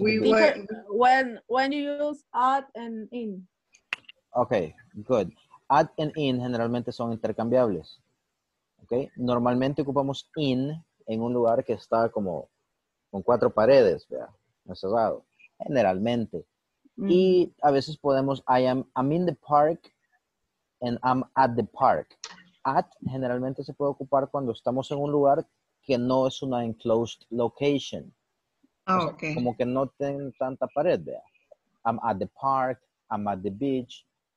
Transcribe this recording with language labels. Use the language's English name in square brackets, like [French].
[English] we when you use at and in. Okay, good. [Spanish] At and in generalmente son intercambiables. Okay, normalmente ocupamos in en un lugar que está como con cuatro paredes, vea, no cerrado. Generalmente. Mm. Y a veces podemos, [English] I'm in the park and I'm at the park. [Spanish] At generalmente se puede ocupar cuando estamos en un lugar que no es una [English] enclosed location. [Spanish] Oh, okay. O sea, como que no tiene tanta pared, vea. [English] I'm at the park, I'm at the beach.